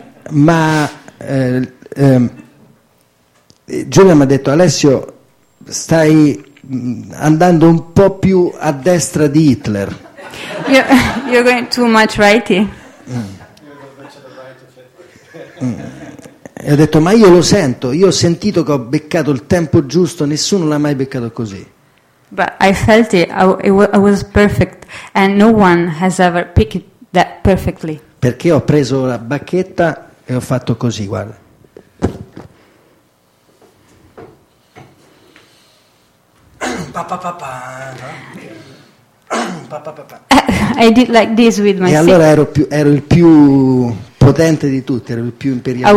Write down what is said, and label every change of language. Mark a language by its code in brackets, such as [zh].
[it] Ma Giulia mi ha detto, Alessio, stai andando un po' più a destra di Hitler. [en] You're going too much righty. [it] E ho detto, ma io lo sento, io ho sentito che ho beccato il tempo giusto, nessuno l'ha mai beccato così. [en] But I felt it, I was perfect, and no one has ever picked that perfectly. [it] Perché ho preso la bacchetta e ho fatto così, guarda. [en] I did like this with my. [it] E allora ero il più potente di tutti, ero il più imperialista.